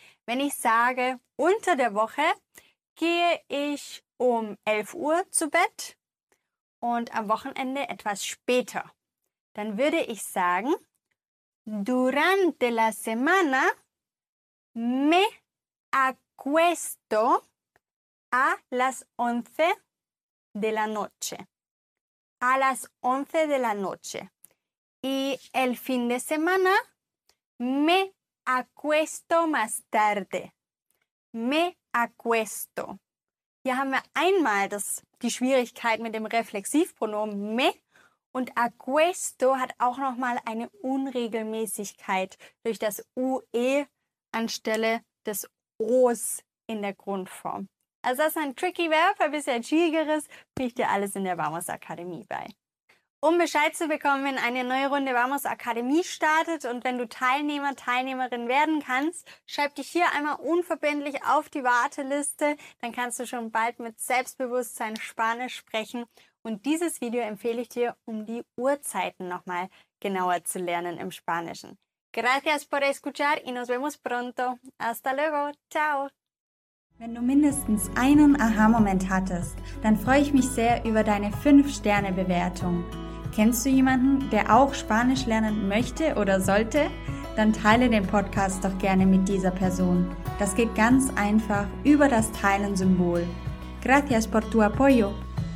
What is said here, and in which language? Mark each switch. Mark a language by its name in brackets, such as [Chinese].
[German] Wenn ich sage, unter der Woche gehe ich um 11 Uhr zu Bett und am Wochenende etwas später, dann würde ich sagen, [Spanish] durante la semana me acuesto a las 11 de la noche. A las 11 de la noche. Y el fin de semana me acuesto más tarde. Me acuesto. [German] Hier haben wir einmal die Schwierigkeit mit dem Reflexivpronomen me. Und acuesto hat auch nochmal eine Unregelmäßigkeit durch das UE anstelle des O's in der Grundform. Also das ist ein tricky Verb, ein bisschen schwierigeres, bringe ich dir alles in der Vamos Akademie bei. Um Bescheid zu bekommen, wenn eine neue Runde Vamos Akademie startet und wenn du Teilnehmer, Teilnehmerin werden kannst, schreib dich hier einmal unverbindlich auf die Warteliste. Dann kannst du schon bald mit Selbstbewusstsein Spanisch sprechen. Und dieses Video empfehle ich dir, um die Uhrzeiten nochmal genauer zu lernen im Spanischen. [Spanish] Gracias por escuchar y nos vemos pronto. Hasta luego. Ciao. [German] Wenn du mindestens einen Aha-Moment hattest, dann freue ich mich sehr über deine 5-Sterne-Bewertung. Kennst du jemanden, der auch Spanisch lernen möchte oder sollte? Dann teile den Podcast doch gerne mit dieser Person. Das geht ganz einfach über das Teilen-Symbol. [Spanish] Gracias por tu apoyo.